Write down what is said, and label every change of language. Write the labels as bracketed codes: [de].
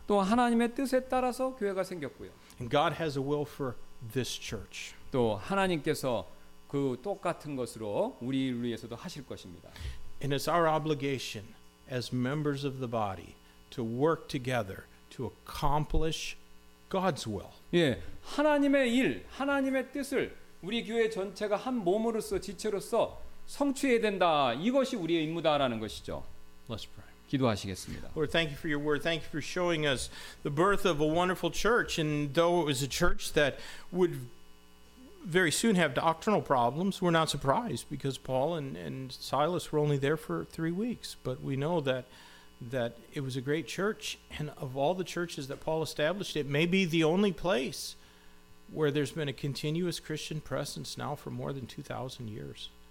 [ko] 또 하나님의 뜻에 따라서 교회가 생겼고요. [en] And God has a will for this church. [ko] 또 하나님께서 그 똑같은 것으로 우리를 위해서도 하실 것입니다. [en] And it's our obligation as members of the body to work together to accomplish God's will. [ko] 예, 하나님의 일, 하나님의 뜻을 우리 교회 전체가 한 몸으로서 지체로서 성취해야 된다. 이것이 우리의 임무다라는 것이죠. [en] Let's pray. [ko] 기도하시겠습니다. [en] Lord, thank you for your word. Thank you for showing us the birth of a wonderful church. And though it was a church that would very soon have doctrinal problems, we're not surprised because Paul and Silas were only there for 3 weeks. But we know that it was a great church, and of all the churches that Paul established, it may be the only place where there's been a continuous Christian presence now for more than 2,000 years.